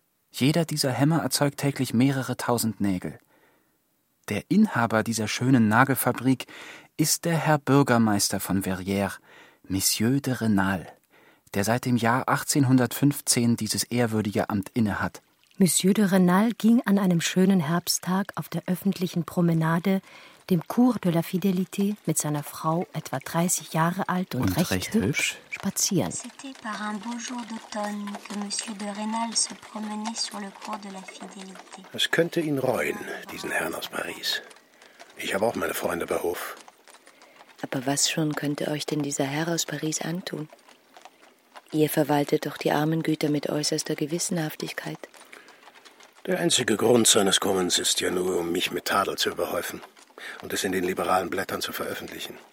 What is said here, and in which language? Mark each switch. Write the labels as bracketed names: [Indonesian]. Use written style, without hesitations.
[German] Jeder dieser Hämmer erzeugt täglich mehrere tausend Nägel. Der Inhaber dieser schönen Nagelfabrik ist der Herr Bürgermeister von Verrières, Monsieur de Rênal, der seit dem Jahr 1815 dieses ehrwürdige Amt innehat. Monsieur de Rênal ging an einem schönen Herbsttag auf der öffentlichen Promenade, dem Cours de la Fidélité, mit seiner Frau, etwa 30 Jahre alt und recht hübsch, spazieren. [French] C'était par un beau jour d'automne que Monsieur de Rênal se promenait sur le Cours de la Fidélité. [German] Es könnte ihn reuen, diesen Herrn aus Paris. Ich habe auch meine Freunde bei Hof. Aber was schon könnte euch denn dieser Herr aus Paris antun? Ihr verwaltet doch die armen Güter mit äußerster Gewissenhaftigkeit. Der einzige Grund seines Kommens ist ja nur, um mich mit Tadel zu überhäufen und es in den liberalen Blättern zu veröffentlichen.